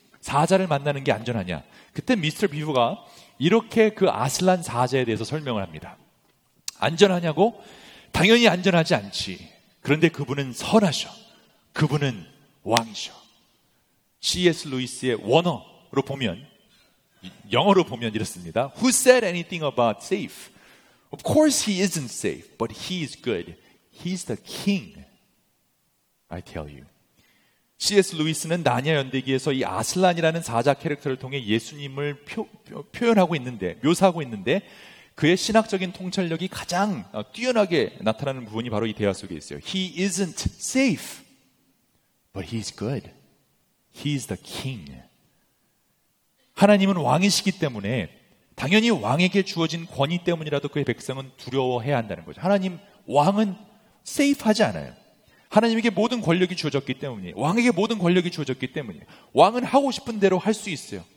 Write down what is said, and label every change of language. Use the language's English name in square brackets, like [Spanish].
[Korean] 사자를 만나는 게 안전하냐? 그때 미스터 비버가 이렇게 그 아슬란 사자에 대해서 설명을 합니다. 안전하냐고? 당연히 안전하지 않지. 그런데 그분은 선하셔. 그분은 왕이셔. C.S. 루이스의 원어로 보면, 영어로 보면 이렇습니다. [English] Who said anything about safe? Of course he isn't safe, but he is good. He's the king, I tell you. C.S. [Korean] 루이스는 나니아 연대기에서 이 아슬란이라는 사자 캐릭터를 통해 예수님을 표현하고 있는데, 묘사하고 있는데 그의 신학적인 통찰력이 가장 뛰어나게 나타나는 부분이 바로 이 대화 속에 있어요. [English] He isn't safe, but he's good. He's the king. [Korean] 하나님은 왕이시기 때문에 당연히 왕에게 주어진 권위 때문이라도 그의 백성은 두려워해야 한다는 거죠. 하나님 왕은 safe하지 않아요. 하나님에게 모든 권력이 주어졌기 때문이에요. 왕에게 모든 권력이 주어졌기 때문이에요. 왕은 하고 싶은 대로 할 수 있어요.